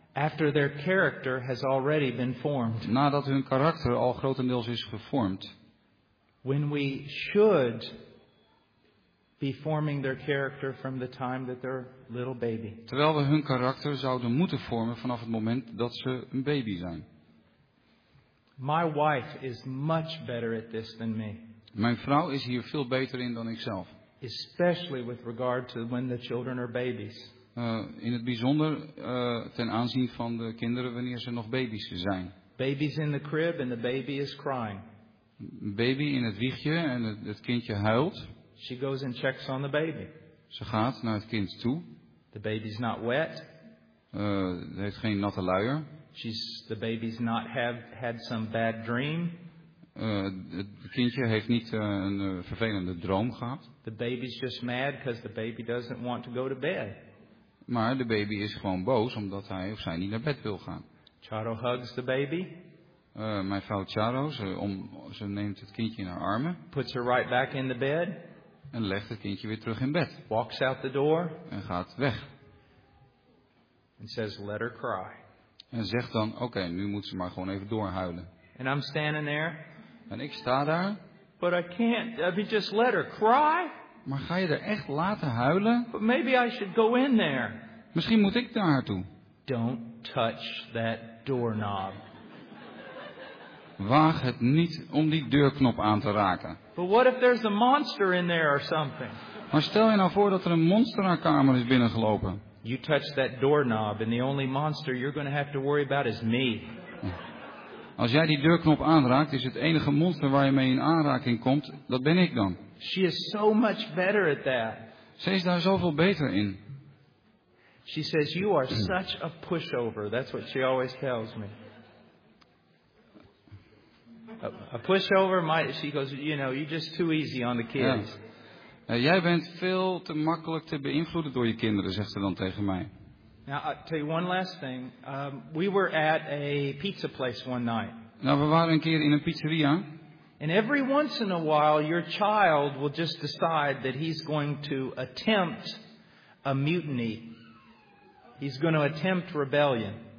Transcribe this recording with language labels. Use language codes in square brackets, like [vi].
[en] After their character has already been formed. [nl] Nadat hun karakter al grotendeels is gevormd. [en] When we should be forming their character from the time that they're little baby. [nl] Terwijl we hun karakter zouden moeten vormen vanaf het moment dat ze een baby zijn. [en] My wife is much better at this than me. [nl] Mijn vrouw is hier veel beter in dan ikzelf. [en] Especially with regard to when the children are babies. [nl] In het bijzonder ten aanzien van de kinderen wanneer ze nog baby's zijn. [en] Babies in the crib and the baby is crying. [nl] Baby in het wiegje en het kindje huilt. [en] She goes and checks on the baby. [nl] Ze gaat naar het kind toe. [en] The baby's not wet. [nl] Heeft geen natte luier. [en] The baby's not had some bad dream. [nl] Het kindje heeft niet een vervelende droom gehad. [en] The baby's just mad because the baby doesn't want to go to bed. [nl] Maar de baby is gewoon boos omdat hij of zij niet naar bed wil gaan. [en] Charo hugs the baby. [nl] Mijn vrouw Charo, ze neemt het kindje in haar armen. [en] Puts her right back in the bed. [nl] En legt het kindje weer terug in bed. [en] Walks out the door. [nl] En gaat weg. [en] And says, let her cry. [nl] En zegt dan, oké, nu moet ze maar gewoon even doorhuilen. [en] And I'm standing there. [nl] En ik sta daar. [en] But I can't. I mean, just let her cry. [nl] Maar ga je er echt laten huilen? [en] But maybe I should go in there. [nl] Misschien moet ik daar naartoe. [en] Don't touch that doorknob. [nl] Waag het niet om die deurknop aan te raken. [en] But what if there's a monster in there or something? [nl] Maar stel je nou voor dat er een monster naar kamer is binnengelopen. [en] You touch that doorknob and the only monster you're going to have to worry about is me. [nl] Als jij die deurknop aanraakt, is het enige monster waar je mee in aanraking komt, dat ben ik dan. [en] She is so much better at that. [nl] Ze is daar zoveel beter in. [en] She says you are such a pushover. That's what she always tells me. A pushover, she goes, you know, you're just too easy on the kids. [nl] Ja. Jij bent veel te makkelijk te beïnvloeden door je kinderen, zegt ze dan tegen mij. [en] Now, I'll tell you one last thing. We were at a pizza place one night. [nl] Nou, we waren een keer in een pizzeria. [en] And every once in a while, your child will just decide that he's going to attempt a mutiny. He's going to attempt rebellion.